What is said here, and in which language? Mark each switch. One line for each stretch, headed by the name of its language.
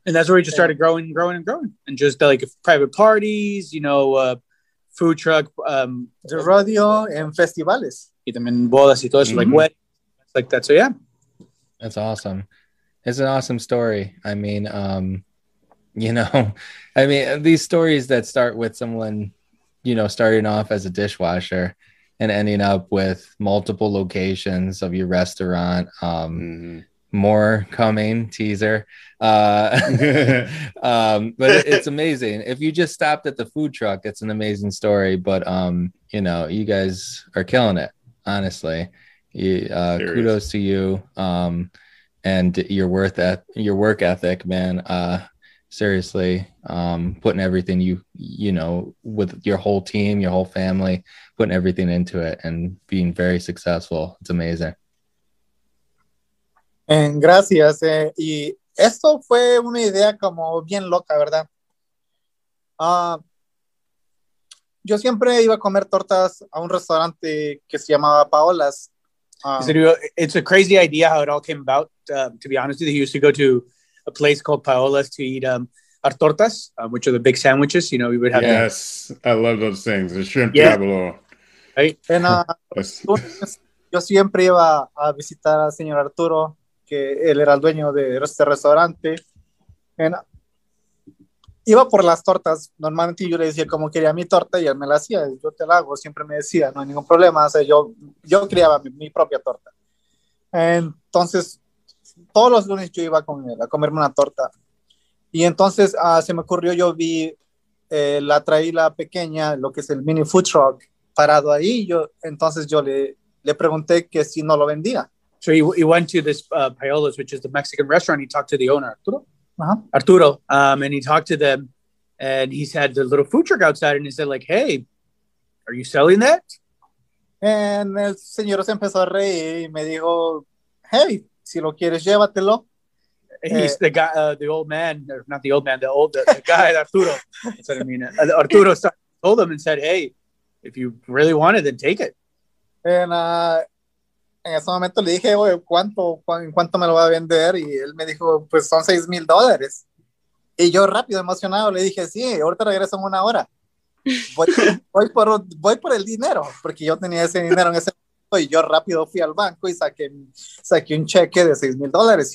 English: And that's where we just started growing and growing and growing. And just like private parties, you know, food truck. The rodeo and festivales. Them in bolas
Spanish: y todo eso,
English: like weddings, like that. So yeah, that's awesome. It's an awesome story. I mean, you know, I mean, these stories that start with someone, you know, starting off as a dishwasher and ending up with multiple locations of your restaurant, more coming, teaser. but it's amazing. If you just stopped at the food truck, it's an amazing story. But you know, you guys are killing it. Honestly, kudos to you and your work ethic, man. Seriously, putting everything you know, with your whole team, your whole family, putting everything into it and being very successful. It's amazing.
Spanish: And gracias. Y esto fue una idea como bien loca, ¿verdad? Yo siempre iba a comer tortas a un restaurante que se llamaba Paola's.
English: It's a crazy idea how it all came about, to be honest with you. He used to go to a place called Paola's to eat our tortas, which are the big sandwiches. You know, we would have. Yes, I love those things. The shrimp tabouleau. Right? And yes.
Spanish: Yo siempre iba a visitar al señor Arturo, que él era el dueño de este restaurante. And iba por las tortas. Normalmente yo le decía cómo quería mi torta y él me la hacía. Yo te la hago, siempre me decía, no hay ningún problema. O sea, yo criaba mi propia torta. Entonces, todos los lunes yo iba con él a comerme una torta. Y entonces se me ocurrió, yo vi la traíla pequeña, lo que es el mini food truck, parado ahí. Entonces yo le pregunté que si no lo vendía.
English: So he went to this Paola's, which is the Mexican restaurant. He talked to the owner, Arturo. Uh-huh. Arturo, and he talked to them, and he said the little food truck outside, and he said, like, hey, are you selling that?
Spanish: And el señor se empezó a reír y me dijo, hey, si lo quieres, llévatelo.
English: He's the guy, the old man, or not the old man, the guy, Arturo. That's what I mean. Arturo told him and said, hey, if you really want it, then take it.
Spanish: And en ese momento le dije, oye, ¿cuánto me lo va a vender? Y él me dijo, pues son $6,000. Y yo rápido, emocionado, le dije, sí, ahorita regreso en una hora. Voy por el dinero, porque yo tenía ese dinero en ese momento. Y yo rápido fui al banco y saqué un cheque de $6,000.